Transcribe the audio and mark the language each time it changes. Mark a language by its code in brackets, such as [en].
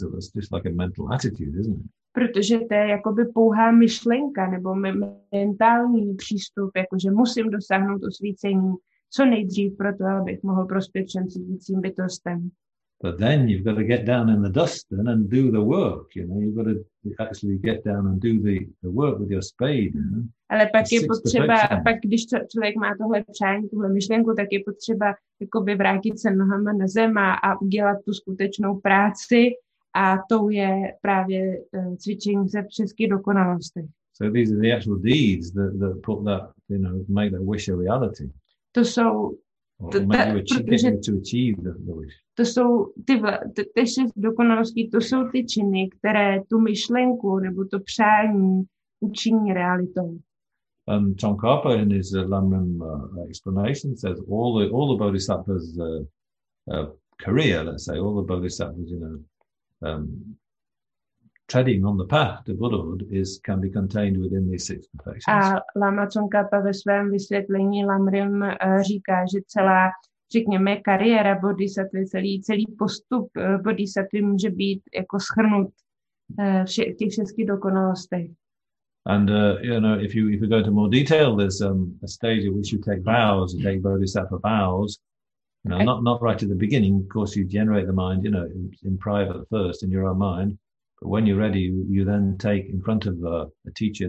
[en] So that's just like a mental attitude, isn't it? [cs] Protože to je jakoby pouhá myšlenka nebo mentální přístup, jakože musím dosáhnout osvícení co nejdřív pro to, abych mohl prospět všem sentientním bytostem. [en] But then you've got to get down in the dust and do the work, you know. You've got to actually get down and do the work with your spade, you know? [cs] Ale pak je potřeba, pak když člověk má tohle přání, tuhle myšlenku, tak je potřeba jakoby vrátit se nohama na zem a udělat tu skutečnou práci a tou je právě cvičení se v šesti dokonalosti. [en] So these are the actual deeds that put that, you know, make that wish a reality. [cs] To jsou to jsou ty šest dokonalostí, to jsou ty činy, které tu myšlenku nebo to přání učiní realitou. [en] And Tsongkhapa in his Lamrim explanation says all the bodhisattvas' career, let's say, all the bodhisattvas, you know, treading on the path to Buddhahood can be contained within these six perfections. [cs] A Lama Tsongkhapa ve svém vysvětlení Lamrim říká, že celá, řekněme, kariéra bodhisattvy, celý postup bodhisattvy může být jako shrnut těch šesti dokonalostí. [en] And you know, if you go into more detail, there's a stage at which you take vows, you take bodhisattva vows. You know, not right at the beginning. Of course, you generate the mind, you know, in private first, in your own mind. But when you're ready, you then take in front of a teacher.